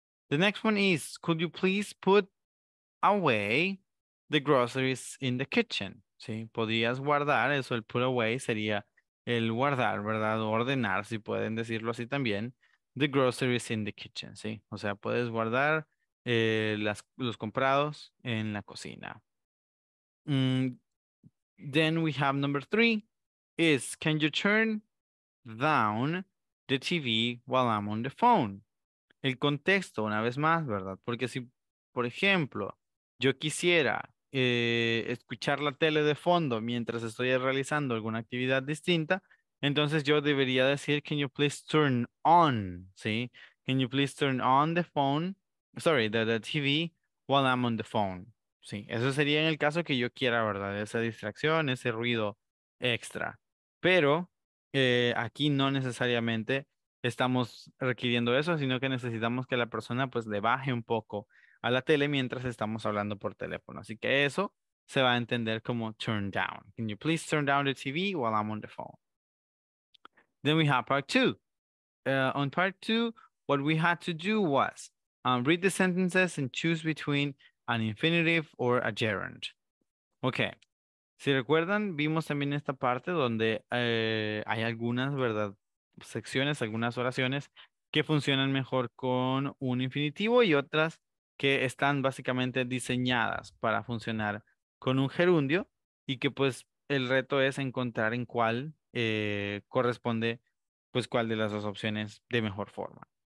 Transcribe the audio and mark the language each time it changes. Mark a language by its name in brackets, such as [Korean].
[English] The next one is, could you please put away the groceries in the kitchen? [Spanish] ¿Sí? Podrías guardar, eso el put away sería el guardar, ¿verdad? O ordenar, si pueden decirlo así también, [English] the groceries in the kitchen, [Spanish] ¿sí? O sea, puedes guardar los comprados en la cocina. [English] Then we have number three is, can you turn down the TV while I'm on the phone? [Spanish] El contexto, una vez más, ¿verdad? Porque si, por ejemplo, yo quisiera escuchar la tele de fondo mientras estoy realizando alguna actividad distinta, entonces yo debería decir, [English] can you please turn on, [Spanish] ¿sí? [English] Can you please turn on the phone, sorry, the TV while I'm on the phone, [Spanish] ¿sí? Eso sería en el caso que yo quiera, ¿verdad? Esa distracción, ese ruido extra. Pero aquí no necesariamente estamos requiriendo eso, sino que necesitamos que la persona pues le baje un poco a la tele mientras estamos hablando por teléfono. Así que eso se va a entender como turn down. [English] Can you please turn down the TV while I'm on the phone? Then we have part two. On part two, what we had to do was read the sentences and choose between an infinitive or a gerund. Okay. [Spanish] Si recuerdan, vimos también esta parte donde hay algunas, ¿verdad?, secciones, algunas oraciones que funcionan mejor con un infinitivo y otras que están básicamente diseñadas para funcionar con un gerundio y que pues el reto es encontrar en cuál corresponde, pues cuál de las dos opciones de mejor forma.